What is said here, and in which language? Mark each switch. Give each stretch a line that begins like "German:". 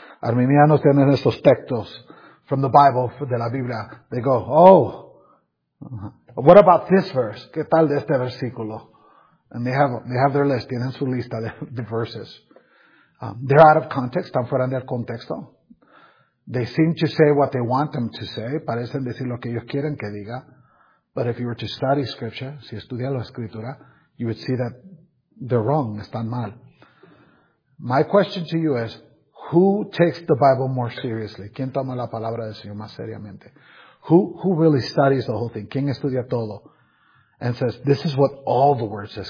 Spanish: Armenianos tienen estos textos
English: from the Bible,
Spanish: de la Biblia.
English: They go, oh, what about this verse?
Spanish: ¿Qué tal de este versículo?
English: And they have their list.
Spanish: Tienen su lista de verses.
English: They're out of context.
Spanish: Están fuera del contexto.
English: They seem to say what they want them to say.
Spanish: Parecen decir lo que ellos quieren que diga.
English: But if you were to study scripture,
Spanish: si estudias la escritura,
English: you would see that they're wrong.
Spanish: Están mal.
English: My question to you is, who takes the Bible more seriously?
Spanish: ¿Quién toma la palabra del Señor más seriamente?
English: Who really studies the whole thing?
Spanish: ¿Quién estudia todo?
English: And says, this is what all the word says.